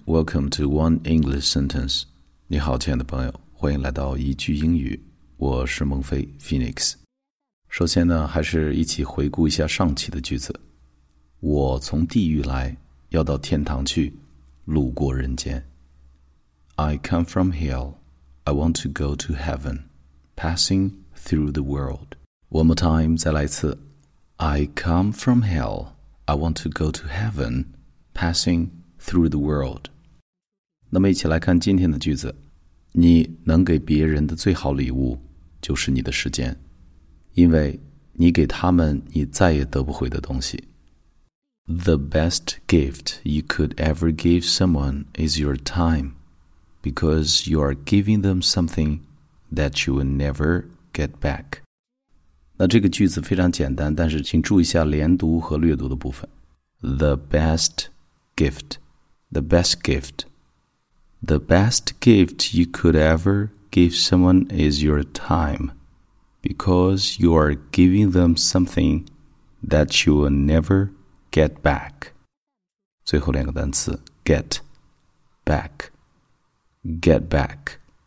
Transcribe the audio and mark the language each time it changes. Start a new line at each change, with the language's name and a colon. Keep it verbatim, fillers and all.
English: Welcome to One English Sentence.
Chinese: 你好，亲爱的朋友，欢迎来到一句英语。我是孟非 Phoenix。首先呢，还是一起回顾一下上期的句子。我从地狱来，要到天堂去，路过人间。
English: I come from hell. I want to go to heaven, passing through the world. One more time,
Chinese: 再来一次。
English: I come from hell. I want to go to heaven, passing through the world.
Chinese: 那么一起来看今天的句子。你能给别人的最好礼物就是你的时间，因为你给他们你再也得不回的东西。
English: The best gift you could ever give someone is your time, because you are giving them something that you will never get back.
Chinese: 那这个句子非常简单，但是请注意一下连读和略读的部分。
English: The best gift. The best gift. The best gift you could ever give someone is your time, because you are giving them something that you will never get back.
Chinese: 最后两个单词
English: get back, get back.